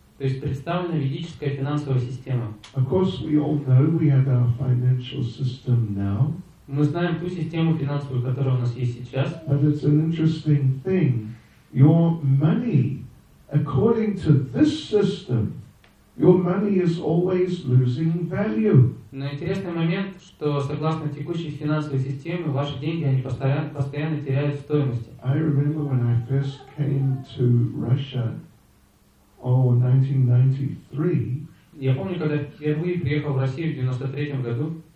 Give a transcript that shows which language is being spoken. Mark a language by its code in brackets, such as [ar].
[ru] То есть представлена ведическая финансовая система. [en] Of course, we all know we have our financial system now. [ru] Мы знаем ту систему финансовую, которая у нас есть сейчас. [en] But it's an interesting thing. Your money, according to this system, your money is always losing value. [ru] Но интересный момент, что согласно текущей финансовой системе, ваши деньги они постоянно теряют стоимость. [en] I remember when I first came to Russia, 1993. [ru] Я помню, когда впервые приехал в Россию в 93 году.